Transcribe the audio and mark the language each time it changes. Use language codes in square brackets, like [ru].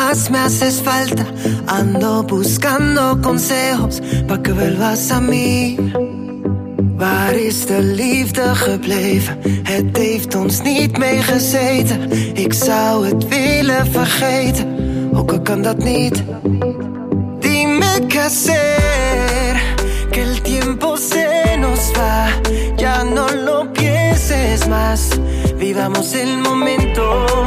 [es] Me haces falta, ando buscando consejos pa' que vuelvas a mí. [nl] Waar is de liefde gebleven? Het heeft ons niet meegezeten. Ik zou het willen vergeten, ook al kan dat niet. [es] Dime qué hacer, que el tiempo se nos va. Ya no lo pienses más, vivamos el momento.